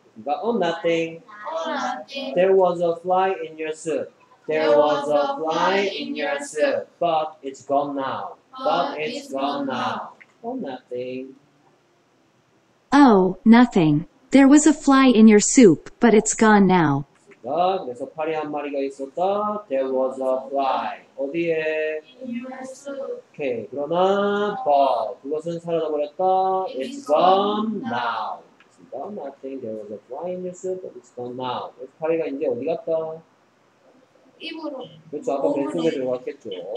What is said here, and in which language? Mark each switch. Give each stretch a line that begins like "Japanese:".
English: Nothing. There was a fly in your soup. There was a fly in your soup, but it's gone now. But it's gone now. Nothing. Oh, nothing. There was a fly in your soup, but it's gone now.
Korean: 그래서 파리 한 마리가 있었다.
English: There was a fly.
Korean: 어디에?
English: In your soup. Okay.
Korean: 그러나, but 그것은 사라져버렸다.
English: It's gone now. Nothing. There was a fly in your soup, but it's gone now.
Korean: 그래서 파리가 이제 어디 갔다? 입으로. 그렇죠. 아까 배 속에 들어갔겠죠.